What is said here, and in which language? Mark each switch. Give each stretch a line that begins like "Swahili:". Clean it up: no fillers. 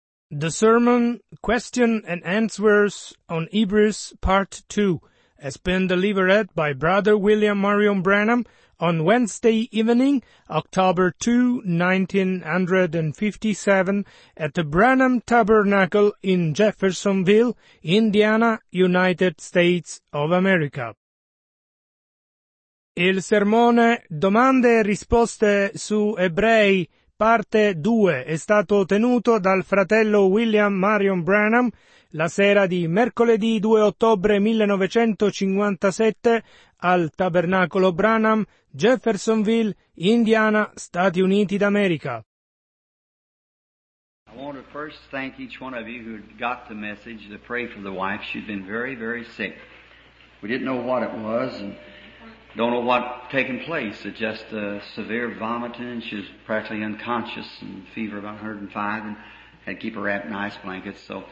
English: The sermon, Question and Answers on Hebrews, Part 2, has been delivered by Brother William Marion Branham on Wednesday evening, October 2, 1957, at the Branham Tabernacle in Jeffersonville, Indiana, United States of America.
Italian: Il sermone Domande e risposte su Ebrei, Parte 2, è stato tenuto dal fratello William Marion Branham la sera di mercoledì 2 ottobre 1957 al Tabernacolo Branham, Jeffersonville, Indiana, Stati Uniti d'America.
English: I want to first thank each one of you who got the message to pray for the wife. She'd been very, very sick. We didn't know what it was and don't know what's taking place. It's just a severe vomiting. She was practically unconscious and fever about 105 and had to keep her wrapped in ice blankets.